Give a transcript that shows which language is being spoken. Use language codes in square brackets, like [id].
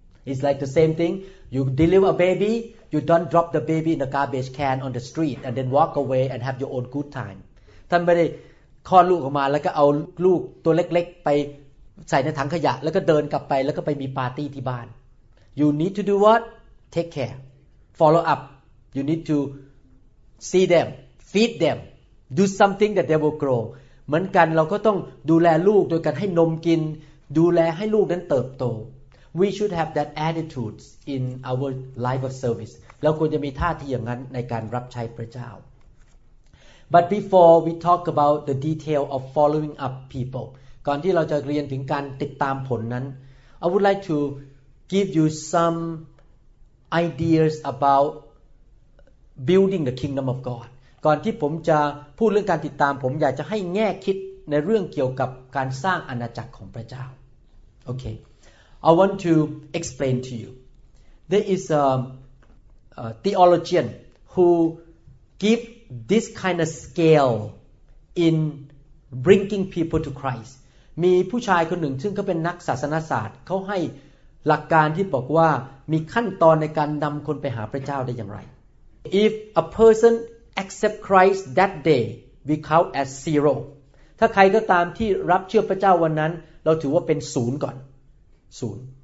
[en] It's like the same thing you deliver a baby you don't drop the baby in a garbage can on the street and then walk away and have your own good time [th] ท่านไม่ได้คลอดลูกออกมาแล้วก็เอาลูกตัวเล็กๆไปใส่ในถังขยะแล้วก็เดินกลับไปแล้วก็ไปมีปาร์ตี้ที่บ้าน [en] You need to do what take care, follow up. You need to see them, feed them, do something that they will grow. [th] เหมือนกันเราก็ต้องดูแลลูกโดยการให้นมกินดูแลให้ลูกนั้นเติบโต [en] We should have that attitude in our life of service. [th] เราควรจะมีท่าทีอย่างนั้นในการรับใช้พระเจ้า [en] But before we talk about the detail of following up people, [th] ก่อนที่เราจะเรียนถึงการติดตามผลนั้น [en] I would like to give you some ideas about building the kingdom of God. [th] ก่อนที่ผมจะพูดเรื่องการติดตามผมอยากจะให้แง่คิดในเรื่องเกี่ยวกับการสร้างอาณาจักรของพระเจ้า [en] Okay, I want to explain to you. There is a theologian who give this kind of scale in bringing people to Christ. [th] มีผู้ชายคนหนึ่งซึ่งเขาเป็นนักศาสนศาสตร์เขาให้หลักการที่บอกว่ามีขั้นตอนในการนำคนไปหาพระเจ้าได้อย่างไร [en] If a person accept Christ that day, we count as zero. [th] ถ้าใครก็ตามที่รับเชื่อพระเจ้าวันนั้นเราถือว่าเป็นศูนย์ก่อนศูนย์